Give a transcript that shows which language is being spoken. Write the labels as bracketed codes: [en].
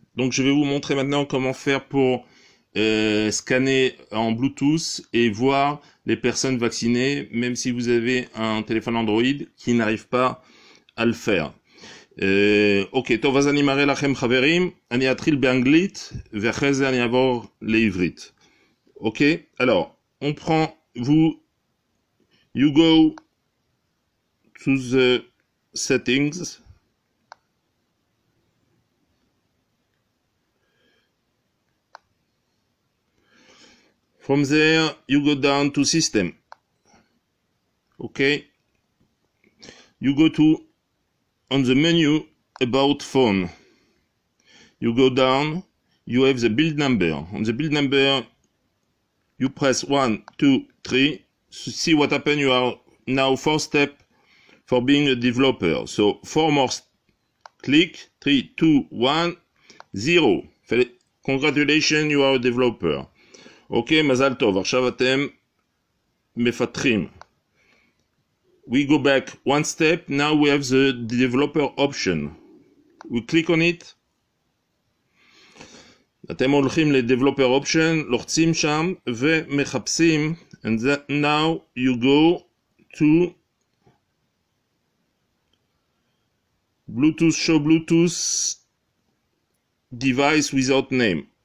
[fr] Donc je vais vous montrer maintenant comment faire pour scanner en Bluetooth et voir les personnes vaccinées, même si vous avez un téléphone Android qui n'arrive pas à le faire. [he] Ok, טוב, אז אני מראה לכם חברים, אני אתחיל באנגלית ואחרי זה אני אעבור לעברית. [fr] Ok, alors on prend vous, [en] you go to the settings, from there you go down to system. Okay, you go to on the menu about phone, you go down, you have the build number. On the build number you press 1, 2, 3 to see what happened. You are now 4 steps for being a developer. So 4 more click, 3, 2, 1, 0. Congratulations, you are a developer. Okay, mazal tov, [he] עכשיו אתם מפתחים. [en] We go back 1 step, now we have the developer option. We click on it. [he] אתם הולכים לדבלופר אופשן, לוחצים שם ומחפשים, [en] and then, now you go to Bluetooth, show Bluetooth device without name.